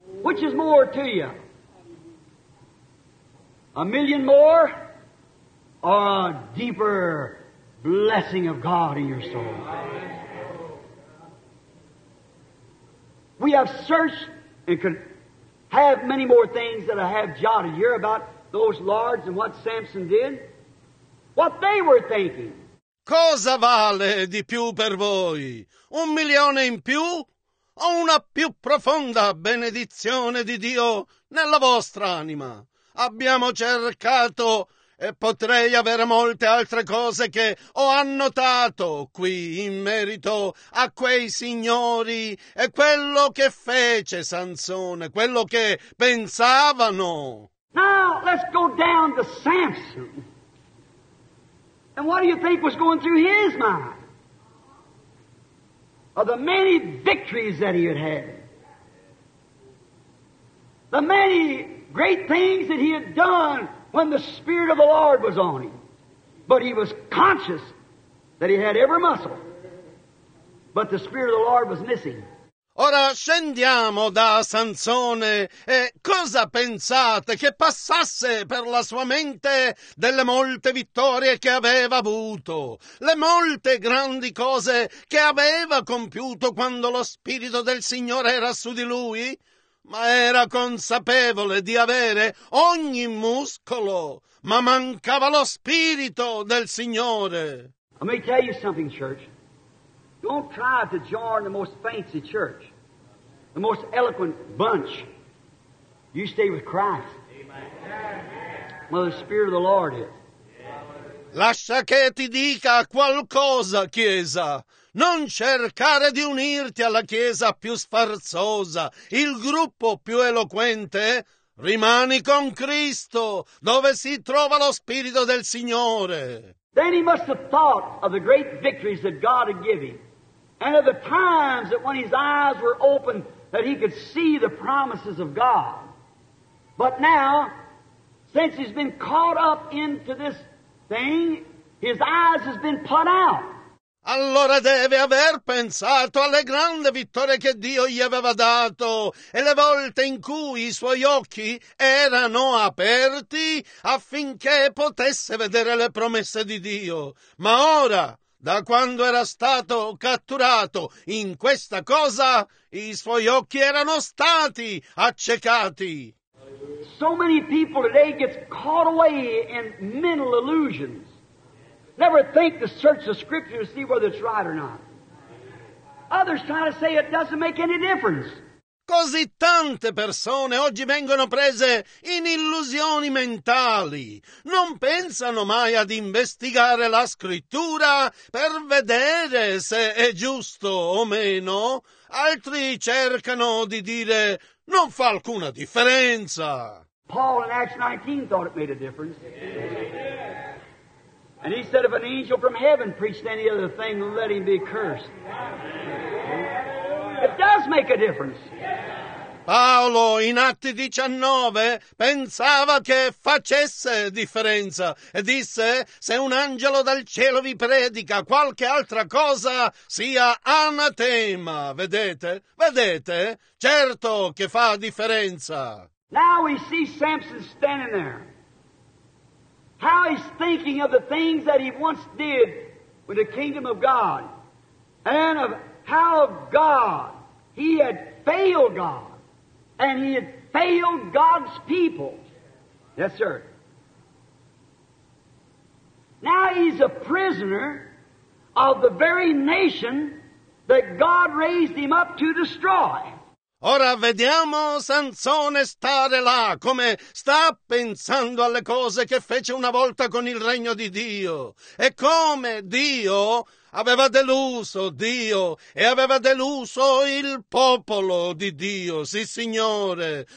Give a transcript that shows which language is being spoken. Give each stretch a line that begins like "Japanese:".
English: Which is more to you? A million more or a deeper blessing of God in your soul. We have searched and have many more things that I have jotted here about those lords and what Samson did. What they were thinking.
Italian: Cosa vale di più per voi? Un milione in più? O una più profonda benedizione di Dio nella vostra anima? Abbiamo cercato e potrei avere molte altre cose che ho annotato qui in merito a quei signori e quello che fece Sansone, quello che pensavano.
English: Now let's go down to Samson. And what do you think was going through his mind? Of the many victories that he had had. The many great things that he had done when the Spirit of the Lord was on him. But he was conscious that he had every muscle. But the Spirit of the Lord was missing.
Italian: Ora scendiamo da Sansone e cosa pensate che passasse per la sua mente delle molte vittorie che aveva avuto, le molte grandi cose che aveva compiuto quando lo Spirito del Signore era su di lui? Ma era consapevole di avere ogni muscolo, ma mancava lo Spirito del Signore.
English: Let me tell you something, church. Don't try to join the most fancy church, the most eloquent bunch. You stay with Christ. Amen. Where the Spirit of the Lord is.
Italian: Lascia che ti dica qualcosa, Chiesa. Non cercare di unirti alla Chiesa più sfarzosa, il gruppo più eloquente. Rimani con Cristo, dove si trova lo Spirito del Signore.
English: Then he must have thought of the great victories that God had given. And of the times that when his eyes were open, that he could see the promises of God. But now, since he's been caught up into this thing, his eyes has been put out.
Italian: Allora deve aver pensato alle grandi vittorie che Dio gli aveva dato e le volte in cui i suoi occhi erano aperti affinché potesse vedere le promesse di Dio. Ma ora, da quando era stato catturato in questa cosa, i suoi occhi erano stati accecati.
English: So many people today get caught away in mental illusions. Never think to search the scripture to see whether it's right or not. Others try to say it doesn't make any difference.
Italian: Così tante persone oggi vengono prese in illusioni mentali. Non pensano mai ad investigare la scrittura per vedere se è giusto o meno. Altri cercano di dire non fa alcuna differenza.
English: Paul in Acts 19 thought it made a difference. And he said if an angel from heaven preached any other thing, let him be cursed. It does make a difference.
Italian: Paolo, in Atti 19, pensava che facesse differenza e disse, se un angelo dal cielo vi predica qualche altra cosa, sia anatema. Vedete? Vedete? Certo che fa differenza.
English: Now we see Samson standing there. How he's thinking of the things that he once did with the kingdom of God. And of how God, he had failed God. And he had failed God's people. Yes, sir. Now he's a prisoner of the very nation that God raised him up to destroy.
Italian: Ora vediamo Sansone stare là, come sta pensando alle cose che fece una volta con il regno di Dio. E come Dio aveva deluso Dio e aveva deluso il popolo di Dio, sì signore.